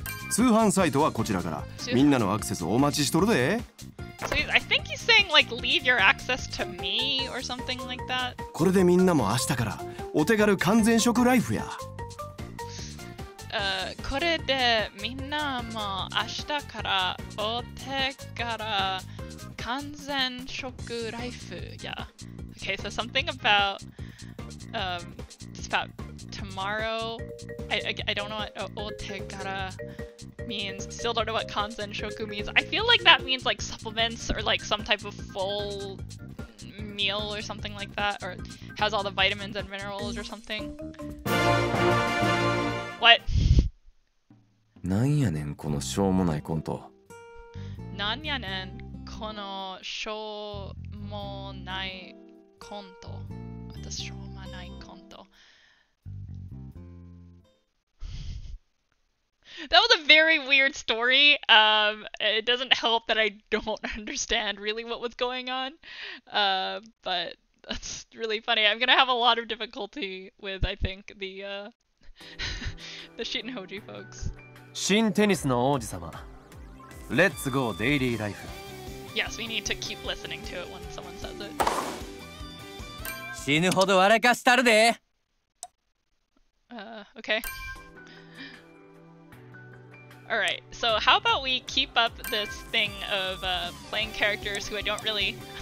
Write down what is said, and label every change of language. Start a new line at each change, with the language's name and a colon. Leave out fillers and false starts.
Japanese: 通販サイトはこちらから。みんなのアクセスお待ちしとるで。
English: So I think he's saying like leave your access to me or something like that.
Japanese: これでみんなも明日からお手軽完全食ライフや。これでみんなも明日からお手軽完全食ライフや。
English: Okay, so something about it's about tomorrow. I don't know what お手軽means. Still don't know what kanzen shoku means. I feel like that means like supplements or like some type of full meal or something like that, or has all the vitamins and minerals or something. What?
Japanese: なんやねんこのしょうもないコント。なんやねんこのしょうもないコント。
English: What does
Japanese: しょうもないコント？
English: That was a very weird story. It doesn't help that I don't understand really what was going on. But that's really funny. I'm gonna have a lot of difficulty with, I think, the the Shin Hoji folks. Shin Tennis の王子様.Let's go daily life. Yes, we need to keep listening to it when someone says it.
Japanese: 死ぬほど笑かしたるで.
English: Okay. Alright, so how about we keep up this thing of playing characters who I don't really...